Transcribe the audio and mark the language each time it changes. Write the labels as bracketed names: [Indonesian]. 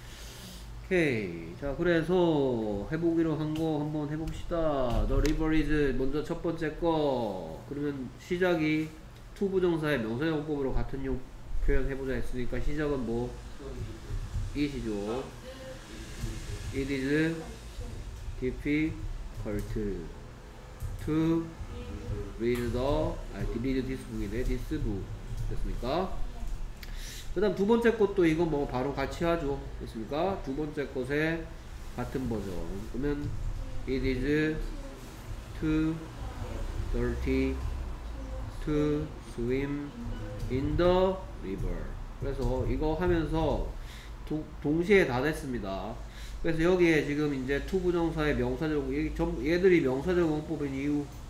[Korean] 오케이. 자, 그래서 해보기로 한 거 한번 해봅시다. [English] The river is [Korean] 먼저 첫 번째 거. 그러면 시작이 to 부정사의 명사용법으로 같은 용 표현 해보자 했으니까 시작은 뭐? it이죠. [English] It is difficult to read the, [Korean] 아니, [English] read this book이네, this book. [Korean] 됐습니까? 그 다음 두 번째 것도 이거 뭐 바로 같이 하죠. 됐습니까? 두 번째 것의 같은 버전. 그러면, [English] it is too dirty to swim in the river. [Korean] 그래서 이거 하면서 동시에 다 됐습니다. 그래서 여기에 지금 이제 to 부정사의 명사적, 얘들이 명사적 용법인 이유.